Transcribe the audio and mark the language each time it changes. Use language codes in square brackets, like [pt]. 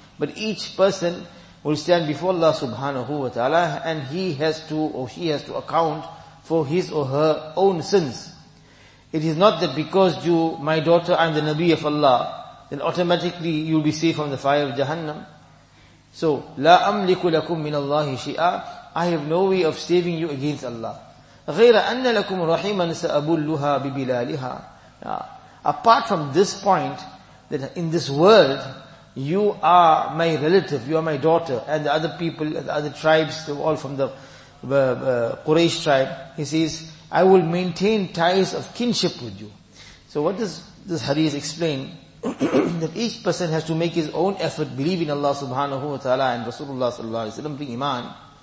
[en] But each person will stand before Allah subhanahu wa ta'ala, and he has to, or she has to account for his or her own sins. It is not that because you, my daughter, I'm the Nabi of Allah, then automatically you'll be saved from the fire of Jahannam. So, [ar] لا أملك لكم من الله شيئا, [en] I have no way of saving you against Allah. [ar] غير أن لكم رحيما سأبلها ببلالها. [en] Apart from this point, that in this world, you are my relative, you are my daughter, and the other people, the other tribes, they were all from the Quraysh tribe. He says, I will maintain ties of kinship with you. So what does this hadith explain? That each person has to make his own effort, believe in Allah subhanahu wa ta'ala and Rasulullah sallallahu alayhi wa sallam, bring iman.